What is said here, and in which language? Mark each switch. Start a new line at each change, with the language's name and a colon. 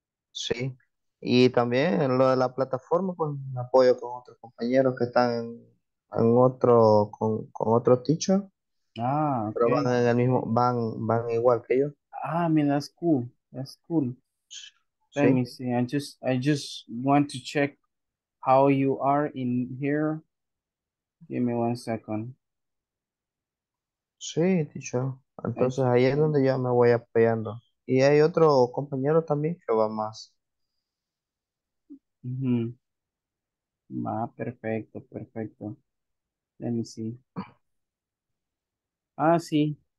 Spanish: Sí. Y también lo de la plataforma, pues me apoyo con otros compañeros que están en otro, con otro teacher. Ah, okay. Pero van en el mismo, van igual que yo.
English: Ah, I mean, that's cool. That's cool. Sí. Let me see. I just want to check how you are in here. Give me 1 second.
Spanish: Sí, teacher. Entonces ahí es donde yo me voy apoyando. Y hay otro compañero también que va más. Va, perfecto, perfecto. Let me see. Ah, sí.